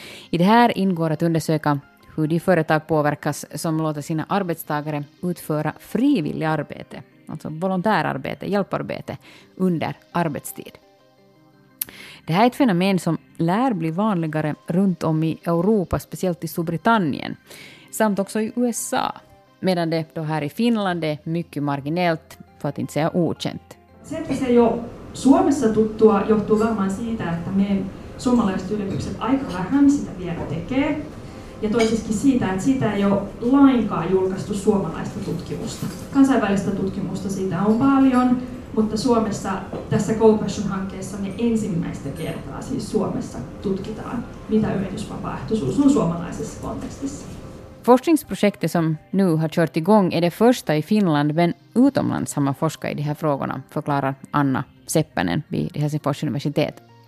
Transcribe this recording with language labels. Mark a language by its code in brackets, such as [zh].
[sv] I det här ingår att undersöka hur de företag påverkas som låter sina arbetstagare utföra frivillig arbete, alltså volontärarbete, hjälparbete, under arbetstid. Det här är ett fenomen som lär bli vanligare runt om i Europa, speciellt i Storbritannien, samt också i USA. Medan det då här i Finland är mycket marginellt, för att inte säga okänt. [fi] Se, että se jo Suomessa tuttua johtuu varmaan siitä, että me suomalaiset yritykset aika vähän sitä vielä tekee. Ja toiseksi siitä, että siitä ei ole lainkaan julkaistu suomalaista tutkimusta. Kansainvälistä tutkimusta siitä on paljon, mutta Suomessa tässä Co-Passion-hankkeessa me ensimmäistä kertaa siis Suomessa tutkitaan, mitä yritysvapaaehtoisuus on suomalaisessa kontekstissa. [sv] Forskningsprojektet som nu har kört igång är det första i Finland, men utomlands har man forskat i de här frågorna, förklarar Anna Seppänen vid Helsingfors universitet.